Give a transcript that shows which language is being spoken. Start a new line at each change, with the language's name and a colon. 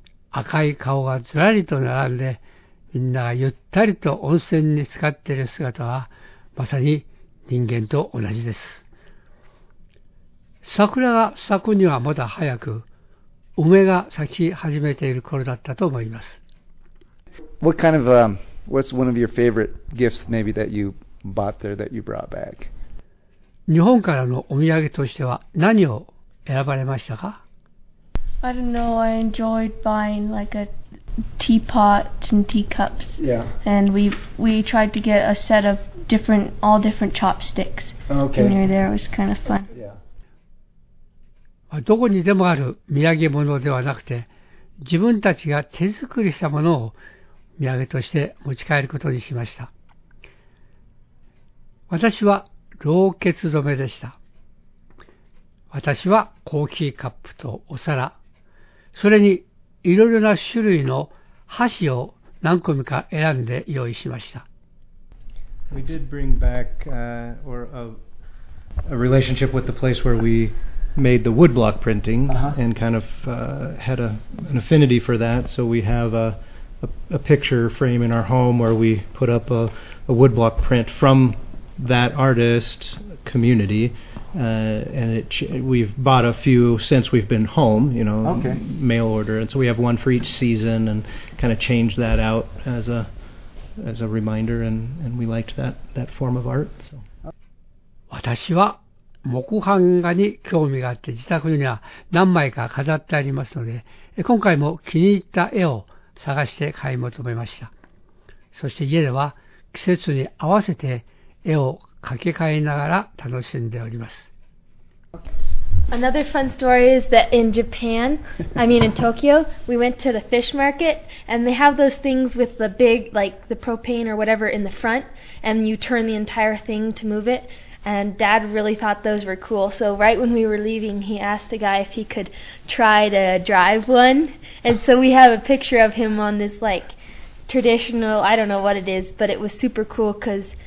Japanese: 赤い顔がずらりと並んで、みんながゆったりと温泉に浸かっている姿はまさに人間と同じです。桜が咲くにはまだ早く、梅が咲き始めている頃だったと思います。
English: What kind of, what's one of your favorite gifts maybe that you... bought there that you brought back.
Japanese: 日本からのお土産としては何を選ばれましたか?
English: I don't know. I enjoyed buying like a teapot and teacups. Yeah. And we tried to get a set of different, all different chopsticks. Okay. When we were there, it was kind of fun. Yeah.
Japanese: どこにでもある土産物ではなくて、自分たちが手作りしたものを土産として持ち帰ることにしました。私は老血止めでした。私はコーヒーカップとお皿、それにいろいろな種類の箸を何組か選んで用意しました。
English: We did bring back a relationship with the place where we made the woodblock printing、 uh-huh. and kind of、had an affinity for that. So we have a picture frame in our home where we put up a woodblock print from. That artist community, and we've bought a few since we've been home, you know,、 okay. mail order, and so we have one for each season, and kind of changed that out as a reminder, and we liked that form of art. So.
Japanese: 私は木版画に興味があって自宅には何枚か飾ってありますので、今回も気に入った絵を探して買い求めました。そして家では季節に合わせて絵を掛け替えながら楽しんでおります。
English: Another fun story is that in Tokyo, we went to the fish market and they have those things with the big, like the propane or whatever in the front and you turn the entire thing to move it and dad really thought those were cool. So right when we were leaving, he asked the guy if he could try to drive one and so we have a picture of him on this like traditional, I don't know what it is, but it was super cool because...